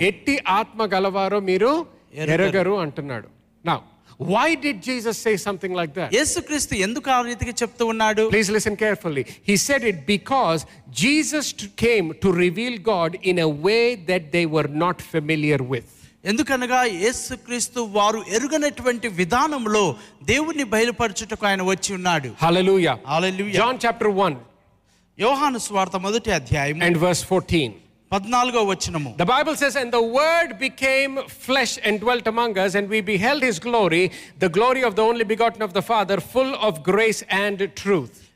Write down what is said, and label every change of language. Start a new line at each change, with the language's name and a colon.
Telugu: ఎట్టి ఆత్మ గలవారో మీరు ఎరుగరు అంటున్నాడు.
English: నా Why did Jesus say something like that?
Telugu: యేసు క్రీస్తు ఎందుకు ఆ రీతికి చెప్తూ ఉన్నాడు?
English: Please listen carefully. He said it because Jesus came to reveal God in a way that they were not familiar with.
Telugu: ఎందుకనగా యేసు క్రీస్తు వారు ఎరుగనటువంటి విధానంలో దేవుణ్ణి బయలుపరచుటకు ఆయన వచ్చి ఉన్నాడు. హల్లెలూయా. హల్లెలూయా.
English: John chapter 1.
Telugu: యోహాను సువార్త మొదటి అధ్యాయం
English: and verse 14
Telugu: 14వ వచనము
English: the Bible says and the word became flesh and dwelt among us and we beheld his glory the glory of the only begotten of the Father full of grace and truth